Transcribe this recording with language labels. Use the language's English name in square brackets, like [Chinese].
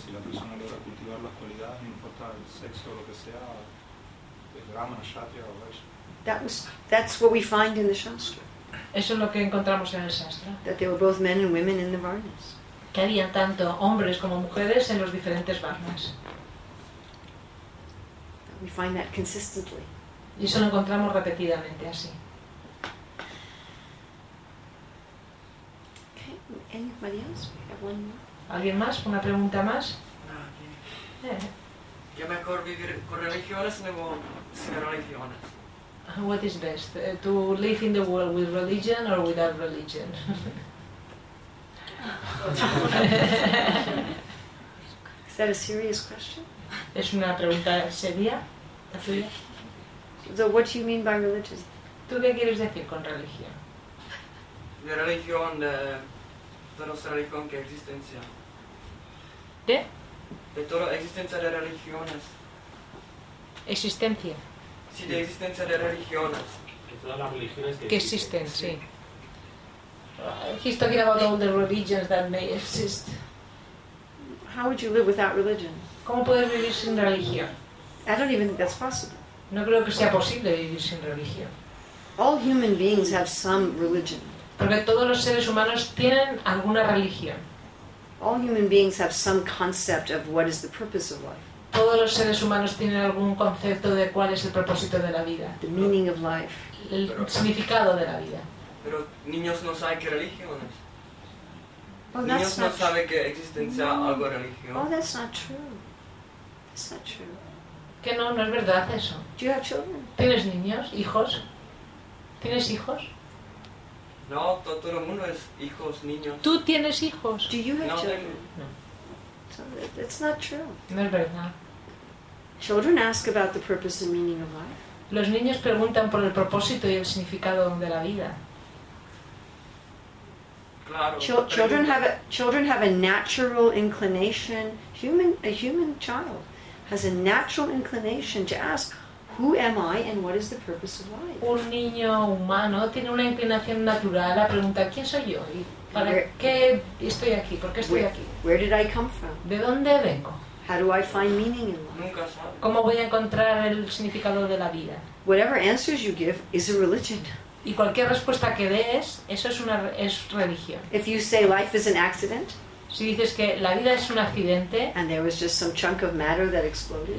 [Spanish] Si la persona logra cultivar las cualidades, no importa el sexo o lo que sea, es brahmana, kshatriya o vaishya. [English] That's what we find in the shastra. [Spanish] Eso es lo que encontramos en el shastra. [English] That there were both men and women in the varnas. [Spanish] Que había tanto hombres como mujeres en los diferentes varnas. [English] We find that consistently. [Spanish] Y eso lo encontramos repetidamente así. [English] Okay. Anybody else? One more. [Spanish] ¿Alguien más? ¿Una pregunta más? [English] Okay. [Spanish] ¿Qué mejor vivir con religiones o sin religiones? [English] What is best? To live in the world with religion or without religion? Is that a serious question? [Spanish] ¿Es una pregunta seria? [English] So what do you mean by religious? [Spanish] ¿Tú qué quieres decir con religión? De religión, de nuestra religión que existencia. ¿De? De toda existencia de religiones. ¿Existencia? Sí, de existencia de religiones. Que todas las religiones que existen. Que existen, sí. [English] He's talking about all the religions that may exist. How would you live without religion? [Spanish] ¿Cómo puedes vivir sin religión? [English] I don't even think that's possible. [Spanish] No creo que sea posible vivir sin religión. [English] All human beings have some religion. [Spanish] Porque todos los seres humanos tienen alguna religión. [English] All human beings have some concept of what is the purpose of life. [Spanish] Todos los seres humanos tienen algún concepto de cuál es el propósito de la vida. [English] The meaning of life. [Spanish] El significado de la vida. Pero niños no saben qué religión es. Niños no saben que existencia algo religión. [English] Oh, that's not true. That's not true. [Spanish] Que no, no es verdad eso. [English] Do you have children? [Spanish] ¿Tienes niños, hijos? ¿Tienes hijos? No, todo el mundo es hijos, niños. ¿Tú tienes hijos? [English] Do you have [Spanish] no, [English] children? [Spanish] No. [English] So it's not true. [Spanish] No es verdad. [English] Children ask about the purpose and meaning of life. [Spanish] Los niños preguntan por el propósito y el significado de la vida. Claro. [English] Children have a natural inclination. A human child has a natural inclination to ask, who am I and what is the purpose of life? [Spanish] Un niño humano tiene una inclinación natural a preguntar quién soy yo y para qué estoy aquí, por qué estoy aquí. [English] Where did I come from? [Spanish] ¿De dónde vengo? [English] How do I find meaning in life? [Spanish] Nunca sabe. ¿Cómo voy a encontrar el significado de la vida? [English] Whatever answers you give is a religion. [Spanish] Y cualquier respuesta que des, eso es religión. [English] If you say life is an accident, [Spanish] si dices que la vida es un accidente, [English] and there was just some chunk of matter that exploded,